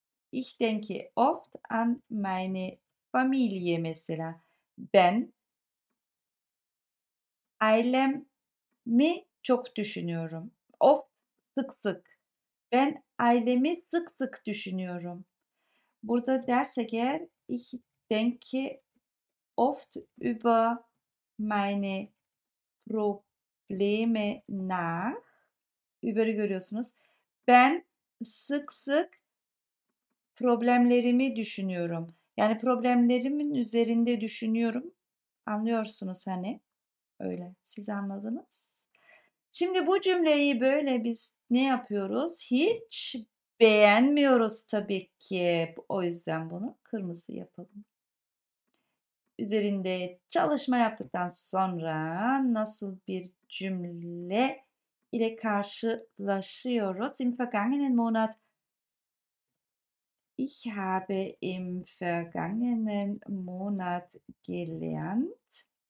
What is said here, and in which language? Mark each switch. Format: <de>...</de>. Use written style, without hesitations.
<de>Ich denke oft an meine Familie</de> <tr>mesela. Ben ailemi çok düşünüyorum. Oft sık sık. Ben ailemi sık sık düşünüyorum. Burada dersek eğer</tr> <de>ich denke oft über meine Probleme nach.</de> <tr>Über'ı görüyorsunuz. Ben sık sık problemlerimi düşünüyorum. Yani problemlerimin üzerinde düşünüyorum. Anlıyorsunuz hani. Öyle. Siz anladınız. Şimdi bu cümleyi böyle biz ne yapıyoruz? Hiç beğenmiyoruz tabii ki. O yüzden bunu kırmızı yapalım. Üzerinde çalışma yaptıktan sonra nasıl bir cümle ile karşılaşıyoruz?</tr> <de>Im vergangenen Monat. Ich habe im vergangenen Monat gelernt.</de>